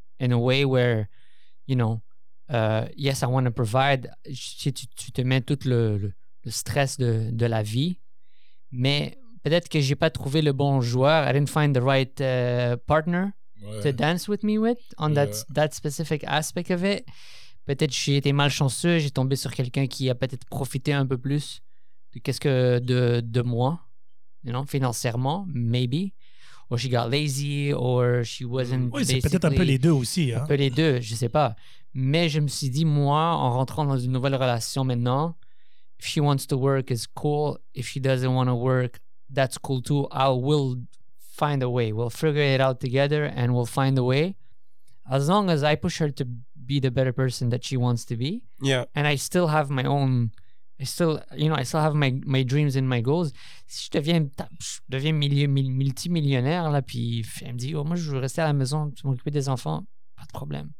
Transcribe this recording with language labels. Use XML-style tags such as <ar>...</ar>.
<en>In a way where, you know, yes, I want to provide.</en> <fr>Tu te mets tout le stress de la vie. Mais peut-être que je n'ai pas trouvé le bon joueur.</fr> <en>I didn't find the right partner ouais. to dance with me with on ouais. that specific aspect of it.</en> <fr>Peut-être que j'ai été malchanceux. J'ai tombé sur quelqu'un qui a peut-être profité un peu plus de, qu'est-ce que de moi.</fr> <en>You know, financièrement, maybe. Or she got lazy, or she wasn't</en> <fr>oui, c'est peut-être un peu les deux aussi. Hein? Un peu les deux, je sais pas. Mais je me suis dit, moi, en rentrant dans une nouvelle relation maintenant,</fr> <en>if she wants to work, it's cool. If she doesn't want to work, that's cool too. We'll find a way. We'll figure it out together, and we'll find a way. As long as I push her to be the better person that she wants to be. Yeah. And I still have my own... I still have my dreams and my goals.</en> <fr>Si je deviens multimillionnaire là, puis elle me dit oh moi je veux rester à la maison, tu m'occuper des enfants, pas de problème.</fr>